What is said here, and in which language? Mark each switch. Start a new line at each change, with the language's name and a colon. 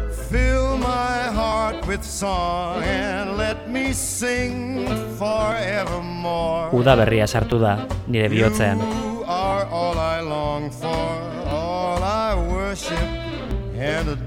English: Fill my heart with song and let me sing forevermore.
Basque: Uda berria sartu da nire bihotzean.
English: You are all I long for, all I worship and adore.